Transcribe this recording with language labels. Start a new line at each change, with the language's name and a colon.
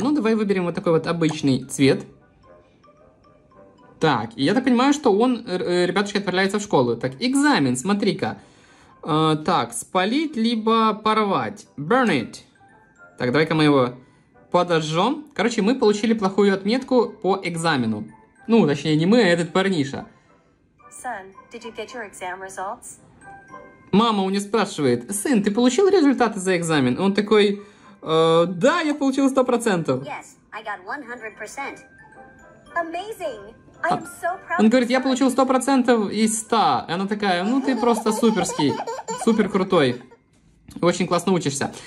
Russian: Ну, давай выберем вот такой вот обычный цвет. Так, я так понимаю, что он, ребятушки, отправляется в школу. Так, экзамен, смотри-ка. Так, спалить либо порвать.
English: Burn it.
Russian: Так, давай-ка мы его подожжем. Короче, мы получили плохую отметку по экзамену. Ну, точнее, не мы, а этот парниша.
English: Son, did you get your exam results?
Russian: Мама у него спрашивает: сын, ты получил результаты за экзамен? Он такой: да, я получил 100%.
English: Yes, I got 100%. Amazing!
Russian: Он говорит, я получил 100% из 100. И она такая, ну ты просто суперский, супер крутой. Очень классно учишься.